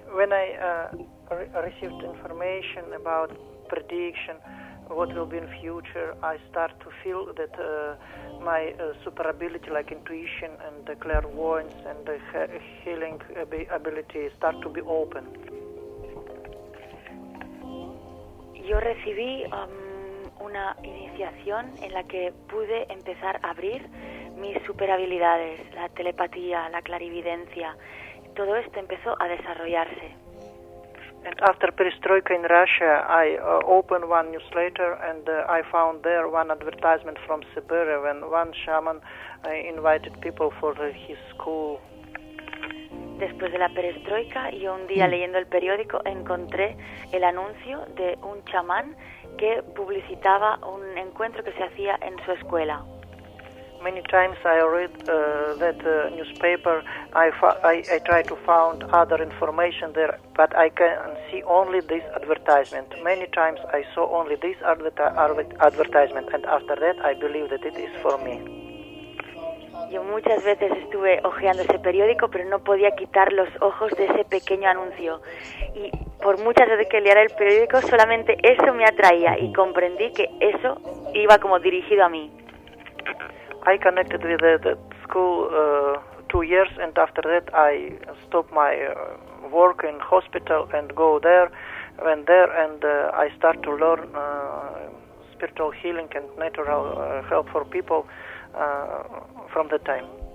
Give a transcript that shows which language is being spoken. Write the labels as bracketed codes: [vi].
[en] when I received information about prediction, what will be in future, I start to feel that my super ability, like intuition and the clairvoyance and the healing ability, start to be open. [es] Yo recibí una iniciación en la que pude empezar a abrir mis superhabilidades, la telepatía, la clarividencia. Todo esto empezó a desarrollarse. [en] And after perestroika in Russia, I opened one newsletter and I found there one advertisement from Siberia when one shaman invited people for his school. [es] Después de la perestroika, yo un día leyendo el periódico encontré el anuncio de un chamán que publicitaba un encuentro que se hacía en su escuela. [en] Many times I read that newspaper. I try to find other information there, but I can see only this advertisement. Many times I saw only this advertisement, and after that I believe that it is for me. [es] Yo muchas veces estuve hojeando ese periódico, pero no podía quitar los ojos de ese pequeño anuncio. Y por muchas veces que leía el periódico, solamente eso me atraía y comprendí que eso iba como dirigido a mí. [en] I connected with the school 2 years, and after that I stopped my work in hospital and go there, went there, and I start to learn spiritual healing and natural help for people from the time.